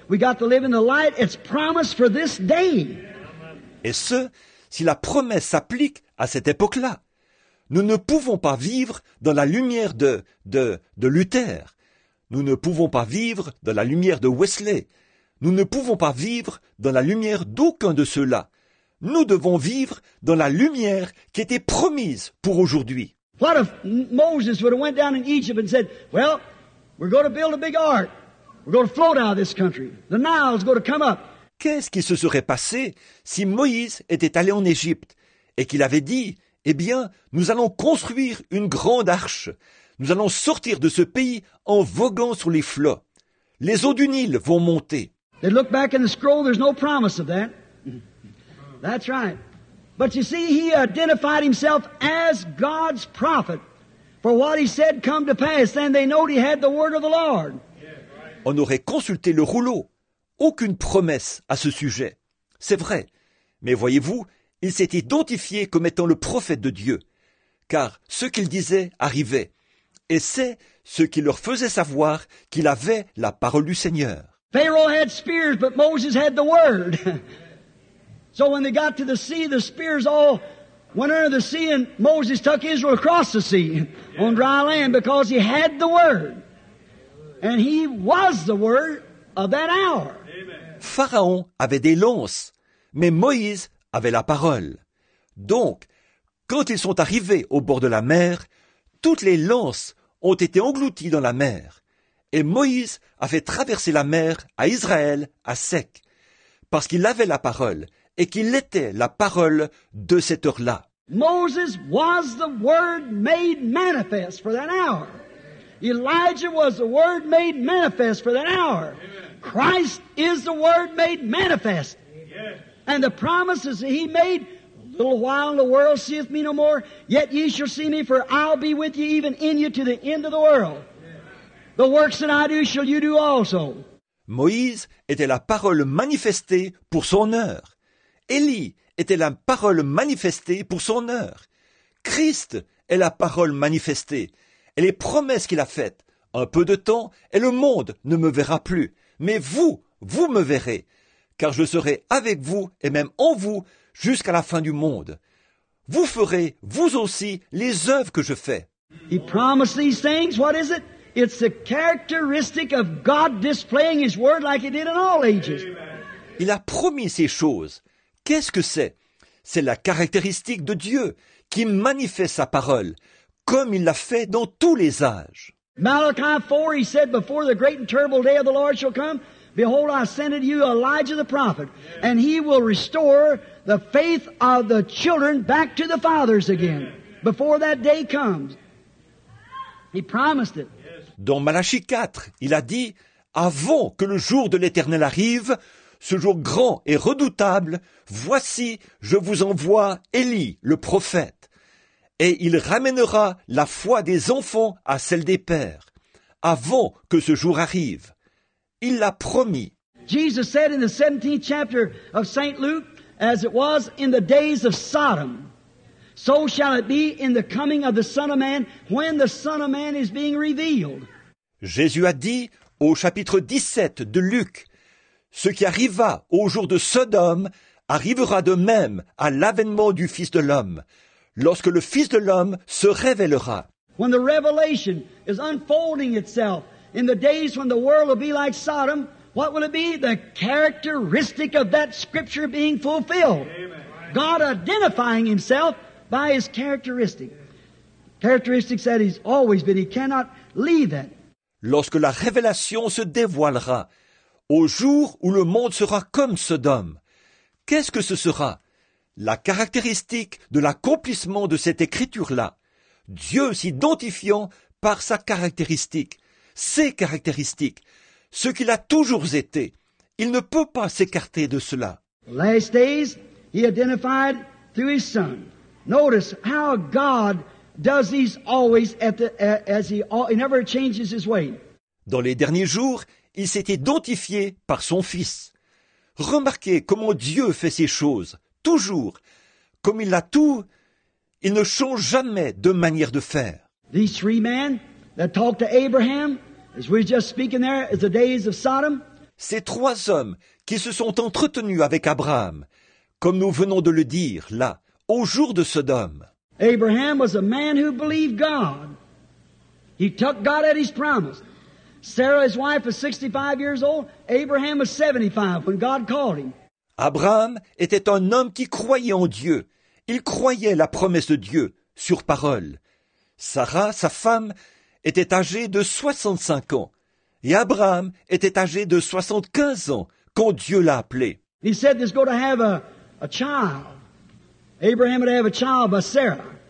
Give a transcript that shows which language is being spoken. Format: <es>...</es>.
<en>We got to live in the light it's promised for this day.</en> <fr>Et ce, si la promesse s'applique à cette époque-là. Nous ne pouvons pas vivre dans la lumière de Luther. Nous ne pouvons pas vivre dans la lumière de Wesley. Nous ne pouvons pas vivre dans la lumière d'aucun de ceux-là. Nous devons vivre dans la lumière qui était promise pour aujourd'hui.</fr> <en>What if Moses would have went down in Egypt and said, well, we're going to build a big ark. We're going to float out of this country. The Nile is going to come up.</en> <fr>Qu'est-ce qui se serait passé si Moïse était allé en Égypte et qu'il avait dit, « Eh bien, nous allons construire une grande arche. Nous allons sortir de ce pays en voguant sur les flots. Les eaux du Nil vont monter. »</fr> <en>They look back in the scroll, there's no promise of that. That's right. But you see, he identified himself as God's prophet. For what he said come to pass, then they know he had the word of the Lord.</en> <fr>On aurait consulté le rouleau. Aucune promesse à ce sujet. C'est vrai. Mais voyez-vous, il s'est identifié comme étant le prophète de Dieu. Car ce qu'il disait arrivait. Et c'est ce qui leur faisait savoir qu'il avait la parole du Seigneur.</fr> <en>Pharaoh had spears, but Moses had the word. So when they got to the sea, the spears all went under the sea and Moses took Israel across the sea on dry land because he had the word. And he was the word of that hour. Pharaon avait des lances, mais Moïse avait la parole. Donc, quand ils sont arrivés au bord de la mer, toutes les lances ont été englouties dans la mer. Et Moïse a fait traverser la mer à Israël à sec, parce qu'il avait la parole et qu'il était la parole de cette heure-là. Moses was the word made manifest for that hour. Elijah was the Word made manifest for that hour. Amen. Christ is the Word made manifest. Yes. And the promises that He made, a little while the world seeth me no more, yet ye shall see me, for I'll be with you even in you to the end of the world. Yes. The works that I do shall you do also.</en> <fr>Moïse était la parole manifestée pour son heure. Élie était la parole manifestée pour son heure. Christ est la parole manifestée. Et les promesses qu'il a faites, un peu de temps, et le monde ne me verra plus. Mais vous, vous me verrez, car je serai avec vous et même en vous jusqu'à la fin du monde. Vous ferez, vous aussi, les œuvres que je fais.</fr> <en>He promised these things, what is it? It's the characteristic of God displaying His word like He did in all ages.</en> <fr>Il a promis ces choses. Qu'est-ce que c'est? C'est la caractéristique de Dieu qui manifeste sa parole, comme il l'a fait dans tous les âges.</fr> <en>Malachi 4, he said, before the great and terrible day of the Lord shall come, behold, I send unto you Elijah the prophet, and he will restore the faith of the children back to the fathers again, before that day comes. He promised it.</en> <fr>Dans Malachi 4, il a dit, avant que le jour de l'Éternel arrive, ce jour grand et redoutable, voici, je vous envoie Élie, le prophète. Et il ramènera la foi des enfants à celle des pères, avant que ce jour arrive. Il l'a promis.</fr> <en>Jesus said in the 17th chapter of Saint Luke, as it was in the days of Sodom, so shall it be in the coming of the Son of Man, when the Son of Man is being revealed.</en> <fr>Jésus a dit au chapitre 17 de Luc, ce qui arriva au jour de Sodome arrivera de même à l'avènement du Fils de l'homme. Lorsque le Fils de l'homme se révélera.</fr> <en>When the revelation is unfolding itself in the days when the world will be like Sodom, what will it be? The characteristic of that scripture being fulfilled. Amen. God identifying Himself by His characteristic. Characteristics that He's always been. He cannot leave that.</en> <fr>Lorsque la révélation se dévoilera, au jour où le monde sera comme Sodom, qu'est-ce que ce sera? La caractéristique de l'accomplissement de cette écriture-là, Dieu s'identifiant par sa caractéristique, ses caractéristiques, ce qu'il a toujours été, il ne peut pas s'écarter de cela.</fr> <en>Last days, he identified through his son. Notice how God does these always at the, as he never changes his way.</en> <fr>Dans les derniers jours, il s'est identifié par son fils. Remarquez comment Dieu fait ces choses. Toujours, comme il a tout, il ne change jamais de manière de faire.</fr> <en>These three men that talked to Abraham, as we were just speaking there, as the days of Sodom.</en> <fr>Ces trois hommes qui se sont entretenus avec Abraham, comme nous venons de le dire là, au jour de Sodome.</fr> <en>Abraham was a man who believed God. He took God at His promise. Sarah, his wife, was 65 years old. Abraham was 75 when God called him.</en> <fr>Abraham était un homme qui croyait en Dieu. Il croyait la promesse de Dieu, sur parole. Sarah, sa femme, était âgée de 65 ans. Et Abraham était âgé de 75 ans quand Dieu l'a appelé.</fr> <en>He said he's going to have a child. Abraham would have a child by Sarah.</en>